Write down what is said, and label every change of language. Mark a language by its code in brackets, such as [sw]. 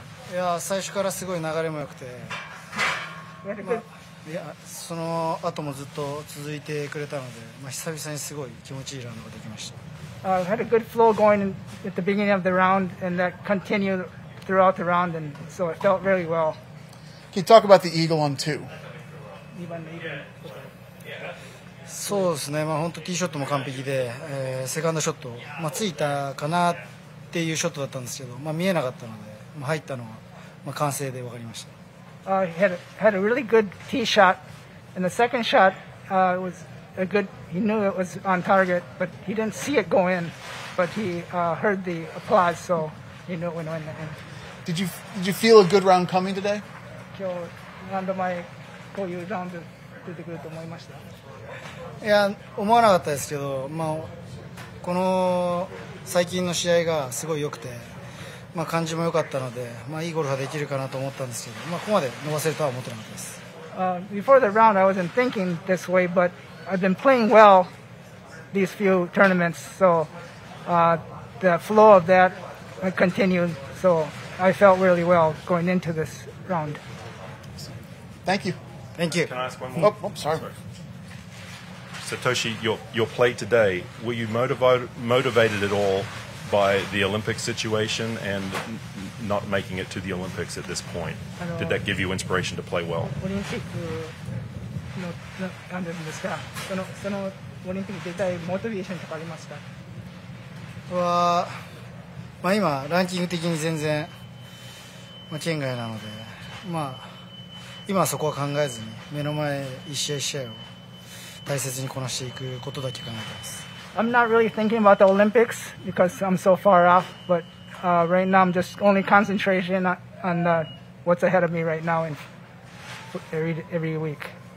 [ja] いや、最初からすごい流れも良くて、まあ、いや、その後もずっと続いてくれたので、まあ、久々にすごい気持ちいいラウンドができました。 [en] I had a good flow going at the beginning of the round and that continued throughout the round and so it felt really well. Can you talk about the eagle on two? [ja] そうですね、まあ、本当ティーショットも完璧で、セカンドショット、まあ、ついたかなっていうショットだったんですけど、まあ、見えなかったので入ったのは、まあ、完成で分かりました。 [en] He had a really good tee shot, and the second shot was a good. He knew it was on target, but he didn't see it go in. But he heard the applause, so he knew it went in. Did you feel a good round coming today? [ja] 今日ランド前こういうラウンド出てくると思いました。いや思わなかったですけど、まあこの最近の試合がすごい良くて。まあ、感じも良かったので、まあ、いいゴルフができるかなと思ったんですけど、まあ、ここまで伸ばせるとは思ってなかったです。 [en] Before the round, I wasn't thinking this way, but I've been playing well these few tournaments, so the flow of that continued, so I felt really well going into this round. Thank you. Thank you. Can I ask one more? Oh, sorry. Satoshi, your play today, were you motivated at all? By the Olympic situation and not making it to the Olympics at this point. Did that give you inspiration to play well? [ja] オリンピックの感じですか。そのオリンピック出たいモチベーションとかありますか。は、まあ今ランキング的に全然、まあ、圏外なので、まあ今はそこは考えずに目の前一試合一試合を大切にこなしていくことだけ考えています。 [en] I'm not really thinking about the Olympics because I'm so far off, but right now I'm just only concentrating on what's ahead of me right now and every week.